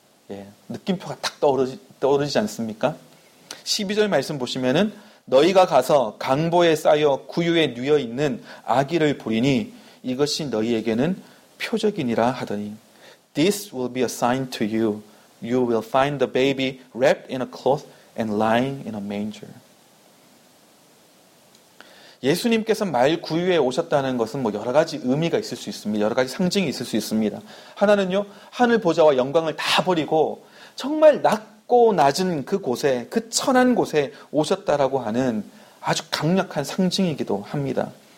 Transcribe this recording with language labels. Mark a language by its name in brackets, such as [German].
[Korean] 예, 느낌표가 딱 떠오르지 않습니까? 12절 말씀 보시면은 너희가 가서 강보에 쌓여 구유에 누여 있는 아기를 보리니 이것이 너희에게는 표적이니라 하더니 [English] This will be a sign to you. You will find the baby wrapped in a cloth and lying in a manger. [Korean] 예수님께서 말 구유에 오셨다는 것은 뭐 여러 가지 의미가 있을 수 있습니다. 여러 가지 상징이 있을 수 있습니다. 하나는요, 하늘 보좌와 영광을 다 버리고 정말 낮고 낮은 그 곳에, 그 천한 곳에 오셨다라고 하는 아주 강력한 상징이기도 합니다.